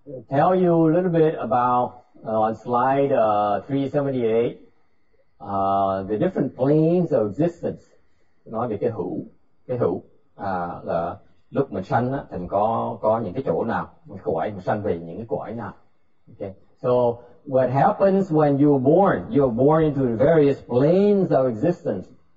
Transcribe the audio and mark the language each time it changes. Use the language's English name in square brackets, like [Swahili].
[English] Tell you a little bit about on slide 378, the different planes of existence. [Vietnamese] Nói về cái hữu là lúc mình sanh á, thì mình có những cái chỗ nào, mình cõi mình sanh về những cái cõi nào. [English] Okay. So what happens when you're born? You're born into the various planes of existence.